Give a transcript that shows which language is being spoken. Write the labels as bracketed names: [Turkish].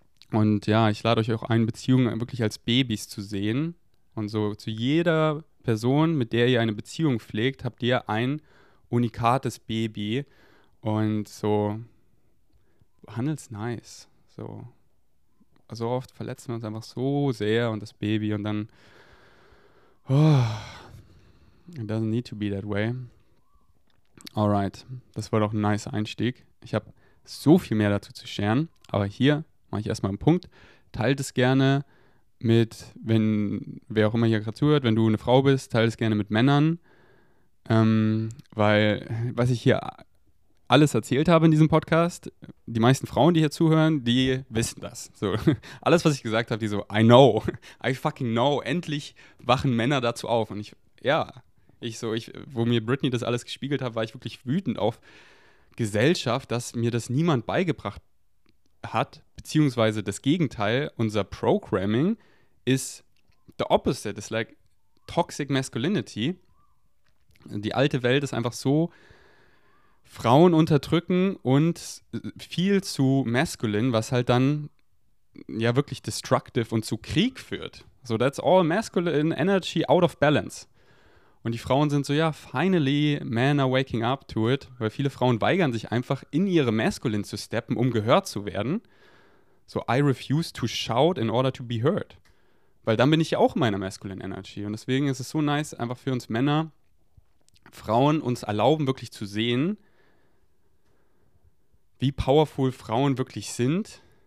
[German] Und ja, ich lade euch auch ein, Beziehungen wirklich als Babys zu sehen. Und so zu jeder Person, mit der ihr eine Beziehung pflegt, habt ihr ein unikates Baby. Und so, handelt's nice. So, also oft verletzen wir uns einfach so sehr und das Baby. Und dann, [English] oh, it doesn't need to be that way. [German] Alright, das war doch ein nice Einstieg. Ich habe so viel mehr dazu zu sharen, aber hier mache ich erstmal einen Punkt. Teilt es gerne mit, wenn, wer auch immer hier gerade zuhört, wenn du eine Frau bist, teilt es gerne mit Männern, weil, was ich hier alles erzählt habe in diesem Podcast, die meisten Frauen, die hier zuhören, die wissen das. So, alles, was ich gesagt habe, die so, [English] I know, I fucking know, [German] endlich wachen Männer dazu auf. Und ich, ja, wo mir Britney das alles gespiegelt hat, war ich wirklich wütend auf Gesellschaft, dass mir das niemand beigebracht hat, beziehungsweise das Gegenteil, unser Programming ist [English] the opposite, it's like toxic masculinity. [German] Die alte Welt ist einfach so, Frauen unterdrücken und viel zu masculine, was halt dann ja wirklich destructive und zu Krieg führt. [English] So that's all masculine energy out of balance. [German] Und die Frauen sind so, ja, [English] finally, men are waking up to it. [German] Weil viele Frauen weigern sich einfach, in ihre Masculine zu steppen, um gehört zu werden. [English] So, I refuse to shout in order to be heard. [German] Weil dann bin ich ja auch in meiner Masculine Energy. Und deswegen ist es so nice, einfach für uns Männer, Frauen uns erlauben, wirklich zu sehen, wie powerful Frauen wirklich sind.